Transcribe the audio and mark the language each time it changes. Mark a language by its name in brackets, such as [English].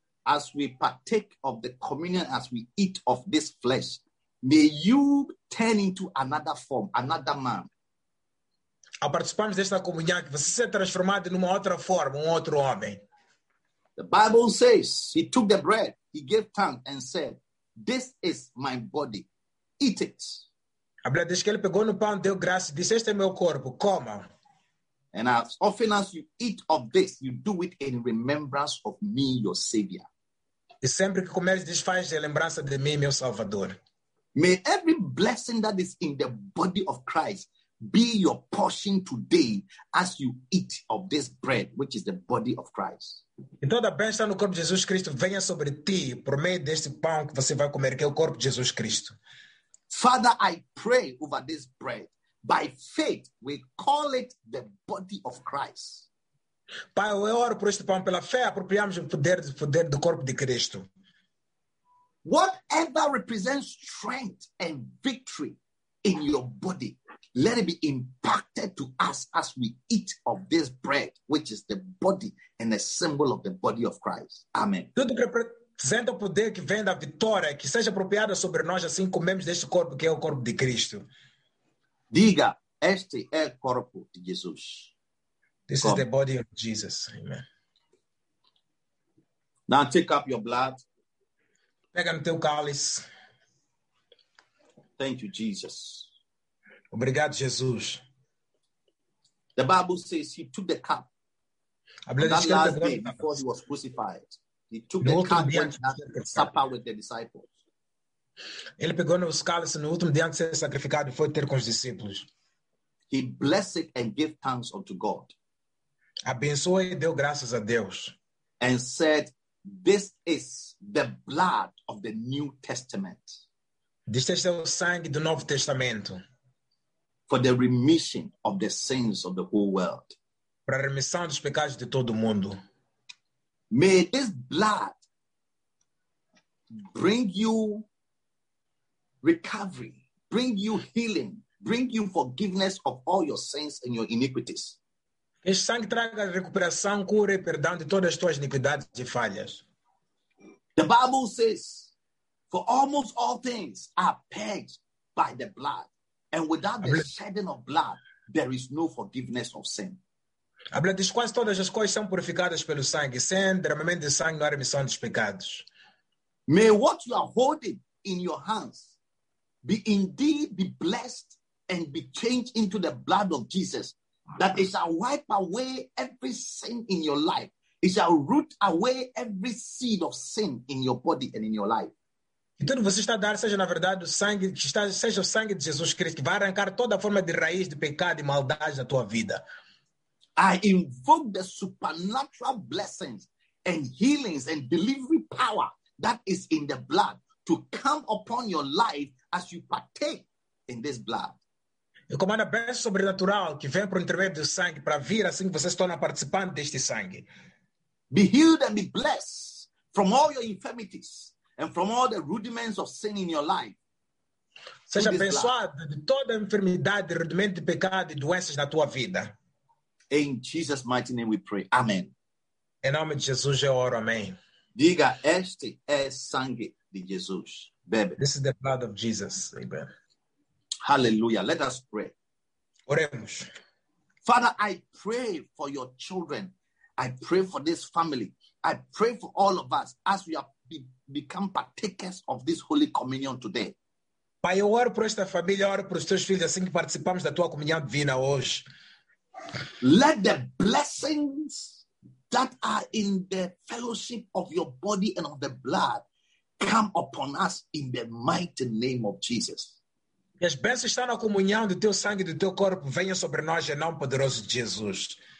[English] As we partake of the communion, as we eat of this flesh, may you turn into another form, another man. [Portuguese] Ao participarmos desta comunhão, que você seja transformado numa outra forma, um outro homem. [English] The Bible says, he took the bread, he gave thanks and said, this is my body. Eat it. [Portuguese] A Bíblia diz que ele pegou no pão, deu graça e disse, este é meu corpo, coma. [English] And as often as you eat of this, you do it in remembrance of me, your Savior. [Portuguese] E sempre que comeres, diz, faz de lembrança de mim, meu Salvador. [English] May every blessing that is in the body of Christ be your portion today as you eat of this bread, which is the body of Christ. [Portuguese] E toda a bênção no corpo de Jesus Cristo venha sobre ti por meio deste pão que você vai comer, que é o corpo de Jesus Cristo. [English] Father, I pray over this bread. By faith, we call it the body of Christ. [Portuguese] Pai, eu oro por este pão pela fé, apropriamos o poder do corpo de Cristo. [English] Whatever represents strength and victory in your body, let it be impacted to us as we eat of this bread, which is the body and the symbol of the body of Christ. Amen. [Portuguese] Tudo que representa o poder que vem da vitória, que seja apropriada sobre nós, assim comemos deste corpo, que é o corpo de Cristo. Diga, este é o corpo de Jesus. [English] This Come. Is the body of Jesus. Amen. Now take up your blood. [Portuguese] Pega no teu cálice. [English] Thank you, Jesus. [Portuguese] Obrigado, Jesus. [English] The Bible says he took the cup. On that last day before he was crucified, he took the cup and had supper with the disciples. [Portuguese] Ele pegou nos cálices no último dia antes de ser sacrificado e foi ter com os discípulos. [English] He blessed and gave thanks unto God. [Portuguese] Abençoou e deu graças a Deus. [English] And said, this is the blood of the New Testament. [Portuguese] Diz que este é o sangue do Novo Testamento. [English] For the remission of the sins of the whole world. [Portuguese] Para a remissão dos pecados de todo mundo. [English] May this blood bring you recovery, bring you healing, bring you forgiveness of all your sins and your iniquities. [Portuguese] Este sangue traga recuperação, cura e perdão de todas as tuas iniquidades e falhas. [English] The Bible says, for almost all things are paid by the blood. And without the shedding of blood, there is no forgiveness of sin. [Portuguese] A Bíblia diz quase todas as coisas são purificadas pelo sangue. Sem derramamento de sangue, não há remissão dos pecados. [English] May what you are holding in your hands be indeed be blessed and be changed into the blood of Jesus, that it shall wipe away every sin in your life. It shall root away every seed of sin in your body and in your life. [Portuguese] E tudo você está a dar, seja na verdade o sangue, que está, seja o sangue de Jesus Cristo, que vai arrancar toda a forma de raiz de pecado e maldade da tua vida. [English] I invoke the supernatural blessings and healings and delivery power that is in the blood to come upon your life as you partake in this blood. [Portuguese] Eu comando a bênção sobrenatural que vem por intermédio do sangue para vir assim que você se torna participante deste sangue. [English] Be healed and be blessed from all your infirmities and from all the rudiments of sin in your life. [Portuguese] Seja abençoado de toda a enfermidade, rudimento de pecado e doenças na tua vida. [English] In Jesus' mighty name we pray. Amen. [Portuguese] Em nome de Jesus eu oro, amém. Diga, este é sangue de Jesus. Bebe. [English] This is the blood of Jesus. Amen. Hallelujah. Let us pray. [Portuguese] Oremos. [English] Father, I pray for your children. I pray for this family. I pray for all of us as we have become partakers of this Holy Communion today. [Portuguese] Pai, eu oro por esta família, oro por os teus filhos, assim que participamos da tua comunhão divina hoje. [English] Let the blessings that are in the fellowship of your body and of the blood come upon us in the mighty name of Jesus. [Portuguese] E as bênçãos estão na comunhão do teu sangue e do teu corpo, venham sobre nós em nome poderoso de Jesus.